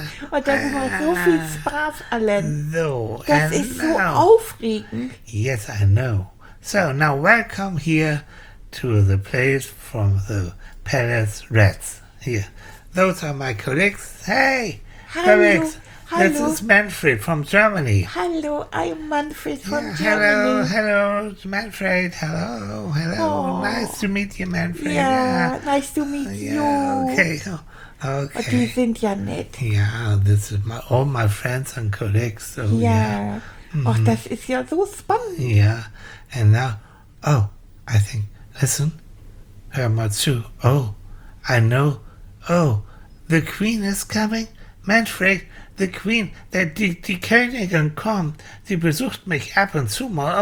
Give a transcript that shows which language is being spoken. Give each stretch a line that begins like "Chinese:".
German: Und das war so viel Spaß, Alan. So, das ist so aufregend.
English: Yes, I know. So, now welcome here to the place from the Palace Rats. Here, those are my colleagues. Hey, hello. Colleagues. Hello. This is Manfred from Germany. Hello, I'm Manfred from Germany. Hello, hello, Manfred. Hello, hello. Oh. Nice to meet you, Manfred. Yeah, nice to meet you. Okay.
German: Die sind ja nett.
English: Yeah, this is my, all my friends and colleagues. So, yeah.
German: Ach, das ist ja so spannend.
English: Yeah. And now, oh, I think, listen,
German: hör mal zu.
English: Oh, I know. Oh, the queen is coming. Manfred.
German: The Queen, die Königin kommt, die besucht mich ab und zu mal.